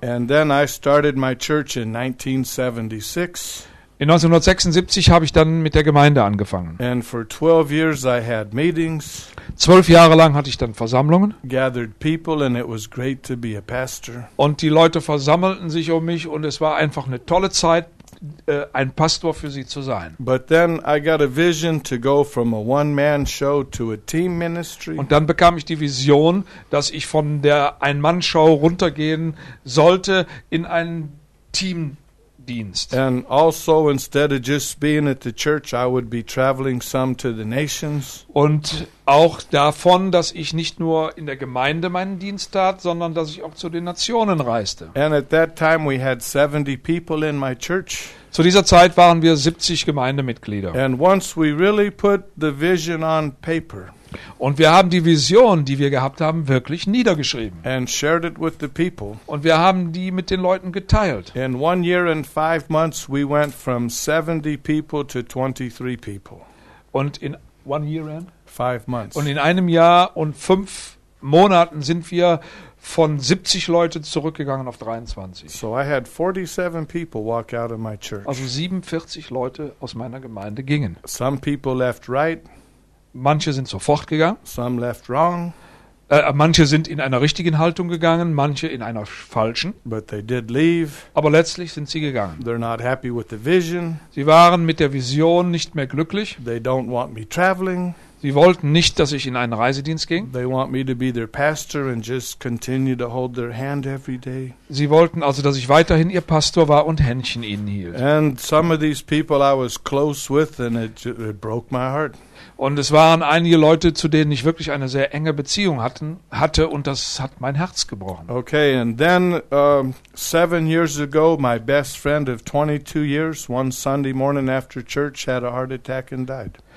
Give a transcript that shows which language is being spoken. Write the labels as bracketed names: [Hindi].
[English] And then I started my church in 1976. [German] In 1976 habe ich dann mit der Gemeinde angefangen. [English] And for 12 years I had meetings. [German] 12 Jahre lang hatte ich dann Versammlungen. [English] Gathered people and it was great to be a pastor. [German] Und die Leute versammelten sich um mich und es war einfach eine tolle Zeit, ein Pastor für sie zu sein. [English] But then I got a vision to go from a one-man show to a team ministry. [German] Und dann bekam ich die Vision, dass ich von der Ein-Mann-Show runtergehen sollte in einen Team. [English] And also instead of just being at the church, I would be traveling some to the nations. [German] Und auch davon, dass ich nicht nur in der Gemeinde meinen Dienst tat, sondern dass ich auch zu den Nationen reiste. [English] And at that time we had 70 people in my church. [German] Zu dieser Zeit waren wir 70 Gemeindemitglieder. [English] And once we really put the vision on paper. [German] Und wir haben die Vision, die wir gehabt haben, wirklich niedergeschrieben. [English] And shared it with the people. [German] Und wir haben die mit den Leuten geteilt. [English] In 1 year and 5 months we went from 70 people to 23 people. Und in 1 year and 5 months. [German] Und in einem Jahr und 5 Monaten sind wir von 70 Leuten zurückgegangen auf 23. [English] So I had 47 people walk out of my church. [German] Also 47 Leute aus meiner Gemeinde gingen. [English] Some people left right. [German] Manche sind sofort gegangen. [English] Some left wrong. [German] Manche sind in einer richtigen Haltung gegangen, manche in einer falschen. [English] But they did leave. [German] Aber letztlich sind sie gegangen. [English] They're not happy with the vision. [German] Sie waren mit der Vision nicht mehr glücklich. [English] They don't want me traveling. [German] Sie wollten nicht, dass ich in einen Reisedienst ging. [English] They want me to be their pastor and just continue to hold their hand every day. [German] Sie wollten also, dass ich weiterhin ihr Pastor war und Händchen ihnen hielt. [English] And some of these people I was close with, and it broke my heart. [German] Und es waren einige Leute, zu denen ich wirklich eine sehr enge Beziehung hatte, und das hat mein Herz gebrochen. [English] Okay, and then 7 years ago, my best friend of 22 years, one Sunday morning after church, had a heart attack and died.